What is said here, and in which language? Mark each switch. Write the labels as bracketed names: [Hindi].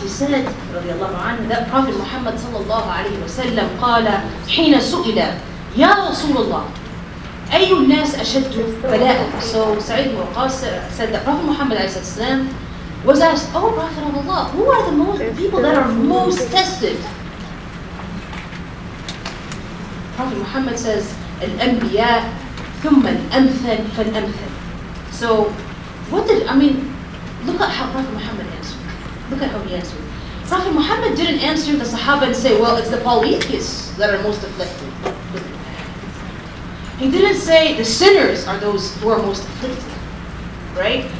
[English] He said, radiallahu anhu, that Prophet Muhammad sallallahu alayhi wa sallam qala, [Arabic] حين سئل يا رسول الله أي الناس أشد بلاء. [English] So Sa'id ibn Waqas said that Prophet Muhammad alayhi wa sallam was asked, oh Prophet of Allah, who are the most people that are most tested? Prophet Muhammad says, [Arabic] الأنبياء ثم الأمثل فالأمثل. [English] So, look at how Prophet Muhammad answered. Look at how he answered. Prophet Muhammad didn't answer the Sahaba and say, well, it's the polytheists that are most afflicted. He didn't say the sinners are those who are most afflicted, right?